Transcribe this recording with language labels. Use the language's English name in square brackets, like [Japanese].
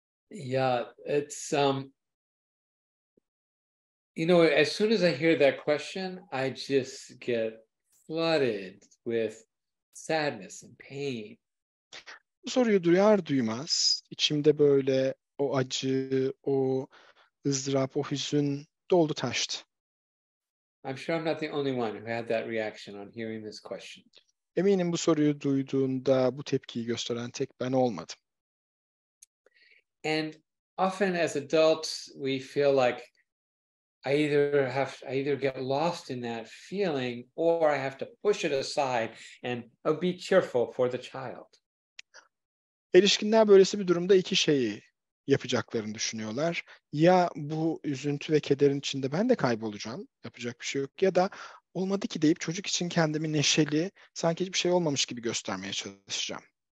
[English] Yeah, it's, you know, as soon as I hear that question, I just get flooded with sadness and pain. [Turkish] Bu soruyu duyar duymaz içimde böyle o acı, o ızdırap, o hüzün doldu taştı. [English] I'm sure I'm not the only one who had that reaction on hearing this question. [Turkish] Eminim bu soruyu duyduğunda bu tepkiyi gösteren tek ben olmadım. [English] And often as adults we feel like I either get lost in that feeling or I have to push it aside and be cheerful for the child. [Turkish] Erişkinler böylesi bir durumda iki şeyi yapacaklarını düşünüyorlar. Ya bu üzüntü ve kederin içinde ben de kaybolacağım, yapacak bir şey yok. Ya da olmadı ki deyip çocuk için kendimi neşeli, sanki hiçbir şey olmamış gibi göstermeye çalışacağım.